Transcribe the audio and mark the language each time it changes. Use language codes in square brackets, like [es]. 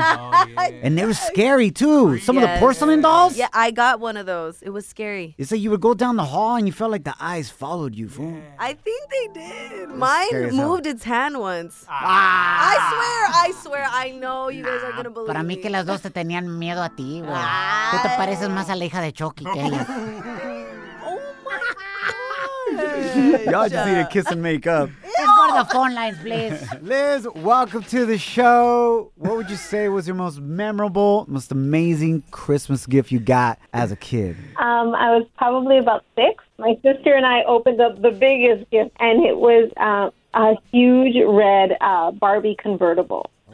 [en] Oh, yeah. And they were scary too. Some of the porcelain dolls. Yeah, I got one of those. It was scary. It's like you would go down the hall and you felt like the eyes followed you, fool. Yeah. I think they did. Mine moved its hand once. Ah. I swear, I know you guys are gonna believe. [es] Para mí que las dos te tenían miedo a ti, güey. Pareces más a la hija de Chucky que ella. [en] Oh, my God. Y'all just need a kiss and make up. Let's go to the phone lines, please. Liz, welcome to the show. What would you say was your most memorable, most amazing Christmas gift you got as a kid? I was probably about 6. My sister and I opened up the biggest gift, and it was a huge red Barbie convertible.